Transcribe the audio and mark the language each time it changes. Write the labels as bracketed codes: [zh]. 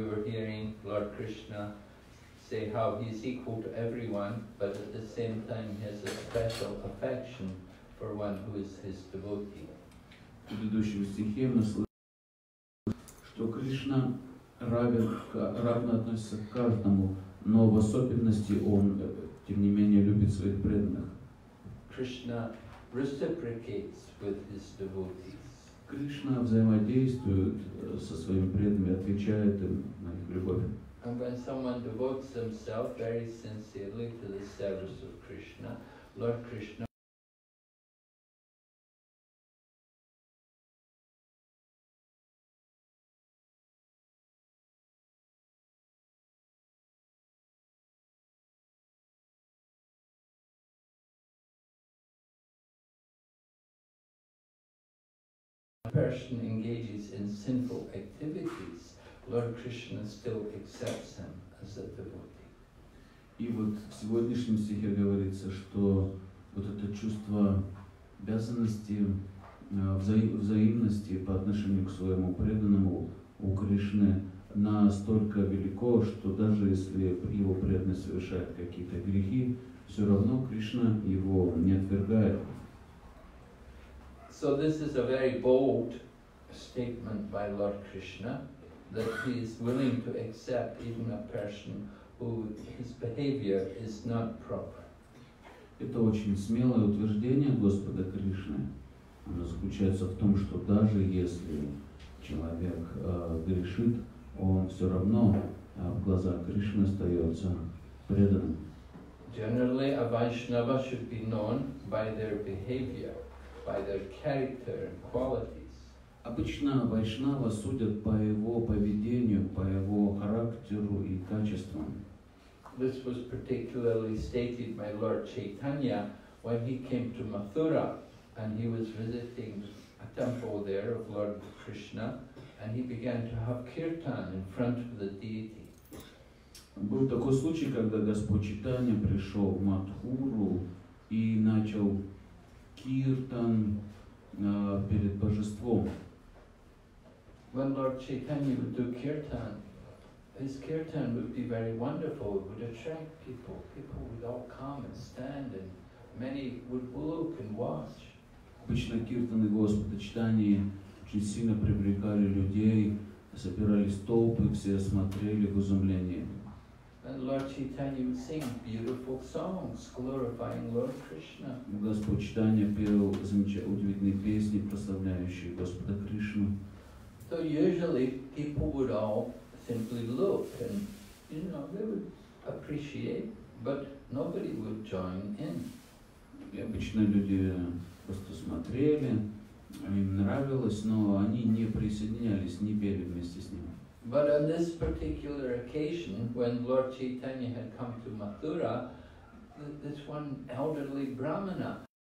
[en] He's equal to everyone, but at the same time he has a special affection for one who is his devotee. [ru] В предыдущем стихе мы слышали, что Кришна равен относится к каждому, но в особенности он, тем не менее, любит своих преданных. [en] Krishna reciprocates with his devotees. [ru] Кришна взаимодействует со своими преданными, отвечает им на их любовь. [en] And when someone devotes himself very sincerely to the service of Krishna, Lord Krishna person engages in sinful activities, Lord Krishna still accepts him as a devotee. [ru] И вот в сегодняшнем стихе говорится, что вот это чувство обязанности, взаимности по отношению к своему преданному у Кришны настолько велико, что даже если его преданный совершает какие-то грехи, все равно Кришна его не отвергает. [en] So this is a very bold statement by Lord Krishna, that he is willing to accept even a person who his behavior is not proper. [ru] Это очень смелое утверждение Господа Кришны. Оно заключается в том, что даже если человек грешит, он все равно в глазах Кришны остается преданным. [en] Generally, a Vaishnava should be known by their behavior, by their character and qualities. [ru] Обычно Вайшнава судят по его поведению, по его характеру и качествам. [en] This was particularly stated by Lord Chaitanya when he came to Mathura and he was visiting a temple there of Lord Krishna and he began to have kirtan in front of the deity. [ru] Был такой случай, когда Господь Чайтанья пришел в Матхуру и начал киртан перед божеством. [en] When Lord Chaitanya would do kirtan, his kirtan would be very wonderful. It would attract people. People would all come and stand, and many would look and watch. [ru] Обычно киртаны Господа Чайтанья очень сильно привлекали людей, собирались толпы, все смотрели в изумлении. [en] And Lord Chaitanya would sing beautiful songs glorifying Lord Krishna. [ru] Господь Чайтанья пел удивительные песни, прославляющие Господа Кришну. [en] So usually people would all simply look and, you know, they would appreciate, but nobody would join in. [ru] И обычно люди просто смотрели, им нравилось, но они не присоединялись, не пели вместе с ним. [en] But on this particular occasion, when Lord Chaitanya had come to Mathura, this one elderly brahmana